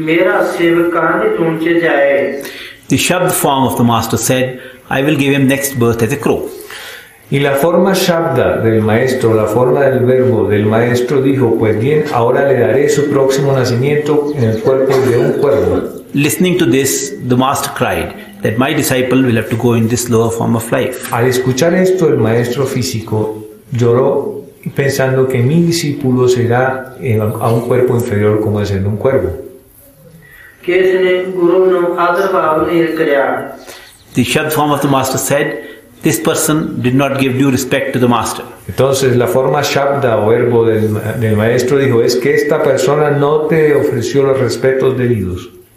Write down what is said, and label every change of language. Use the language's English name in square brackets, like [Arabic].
[English] The shabd form of the master said, I will give him next birth as a crow. [Spanish] Y la forma shabda del maestro, la forma del verbo del maestro dijo, pues bien, ahora le daré su próximo nacimiento en el cuerpo de un cuervo. [English] Listening to this, the master cried that my disciple will have to go in this lower form of life. [Spanish] Al escuchar esto, el maestro físico lloró pensando que mi discípulo será a un cuerpo inferior como es el de un cuervo. [English] The shabda form of the master said, this person did not give due respect to the master. [Spanish] Entonces la forma shabda o verbo del maestro dijo es que esta persona no te ofreció los respetos debidos.